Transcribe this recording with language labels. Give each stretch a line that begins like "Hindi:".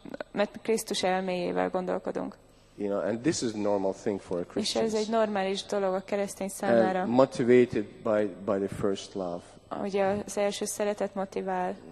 Hungarian: Mert Krisztus elméjével gondolkodunk.
English: You know, and this is a normal thing for a Christian.
Hungarian: És ez egy normális dolog a keresztény számára.
English: And motivated by the first love.
Hungarian: Ugye az első szeretet motivál.